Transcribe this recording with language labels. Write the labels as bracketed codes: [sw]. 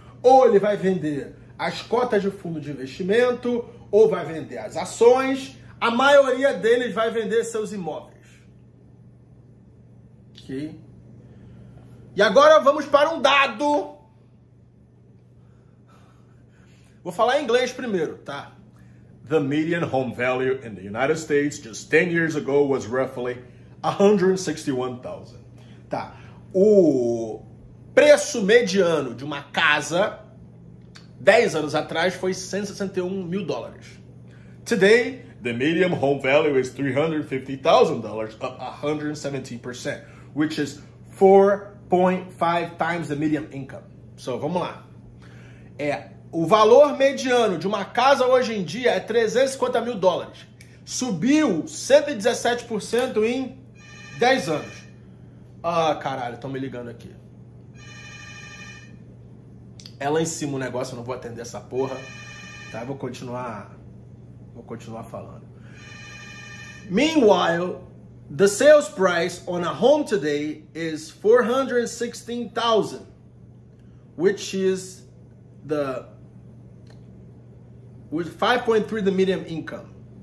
[pt] Ou ele vai vender as cotas de fundo de investimento, ou vai vender as ações. A maioria deles vai vender seus imóveis. Ok? E agora vamos para um dado. Vou falar em inglês primeiro, tá? [en] The median home value in the United States just 10 years ago was roughly 161,000. [pt] Tá. O preço mediano de uma casa 10 anos atrás foi 161 mil dólares. [en] Today, the median home value is $350,000, up 117%, which is 4.5 times the median income. [pt] So, vamos lá. O valor mediano de uma casa hoje em dia é 350 mil dólares. Subiu 117% em 10 anos. Ah, caralho, estão me ligando aqui. É lá em cima o negócio, eu não vou atender essa porra. Tá, vou continuar falando. [en] Meanwhile, the sales price on a home today is 416,000, which is the with 5.3 the median income.